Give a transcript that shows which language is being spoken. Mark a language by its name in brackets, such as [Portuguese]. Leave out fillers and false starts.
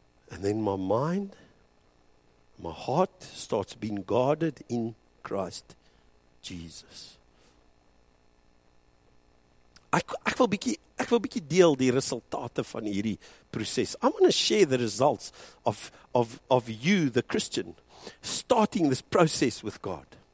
[English] And then my mind, my heart starts being guarded in Christ Jesus. [Afrikaans] Ek wil bietjie deel die resultate van hierdie proses. [English] I'm going to share the results of you, the Christian, starting this process with God.